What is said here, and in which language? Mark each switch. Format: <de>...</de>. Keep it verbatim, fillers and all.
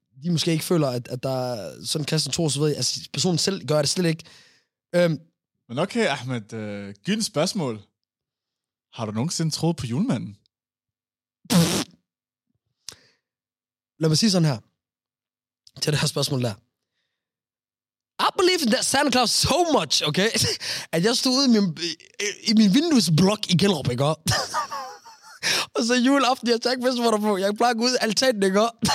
<da>de måske ikke føler, at, at der er sådan en kristen tro, så ved jeg, altså personen selv gør det slet ikke. Um, Men okay, Ahmed, øh, giv en spørgsmål. Har du nogensinde troet på julemanden? Pff. Lad mig sige sådan her, til det her spørgsmål der.</da> <en>I believe in that Santa Claus so much, okay?</en> <da>At jeg stod ude i min, i, i min vinduesblok i Gellerup, ikke? Og så juleaften, jeg tænkte, vidste, hvor der på. Jeg plejer ud af altanen, ikke?</da>